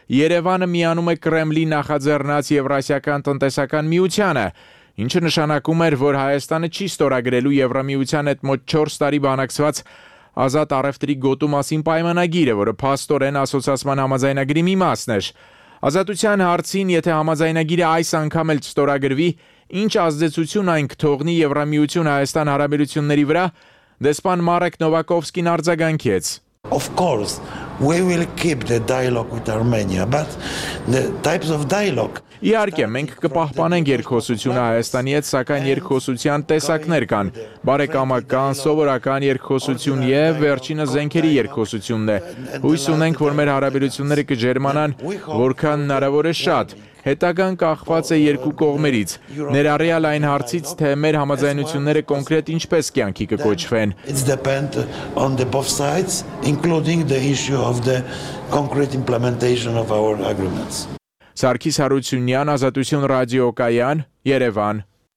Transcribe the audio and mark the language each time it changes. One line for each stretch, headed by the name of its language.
Armenian: Երևանը միանում է Կրեմլի նախաձեռնած Եվրասիական տնտեսական միությանը, ինչը նշանակում էր, որ Հայաստանը չի ստորագրելու Եվրամիության հետ մոտ 4 տարի բանակցված ազատ առևտրի գոտու մասին պայմանագիրը, որը փաստորեն ասոցիացիան համաձայնագրի մի մասն էր։ Ազատության հարցին, եթե համաձայնագիրը այս անգամ էլ ստորագրվի, ինչ ազդեցություն այն կթողնի Եվրամիություն-Հայաստան հարաբերությունների վրա, դեսպան Մարեկ Նովակովսկին արձագանքեց.
English: Of course, we will keep the dialogue with Armenia, but the types of dialogue.
Armenian: Իհարկե, մենք կպահպանենք երկխոսությունը Հայաստանի հետ, սակայն երկխոսության տեսակներ կան. բարեկամական, սովորական երկխոսություն եւ վերջինը զենքերի երկխոսությունն է։ Հույս ունենք, որ մեր հարաբերությունները կջերմանան, որքան հնարավոր է շատ։ Հետագան կախված է երկու կողմերից, ներառյալ այն հարցից, թե մեր համաձայնությունները կոնկրետ ինչպես կյանքի կկոչվեն։
English: It depends on the both sides, including the issue of the concrete implementation of our agreements.
Armenian: Սարգիս Հարությունյան, Ազատություն ռադիոկայան, Երևան։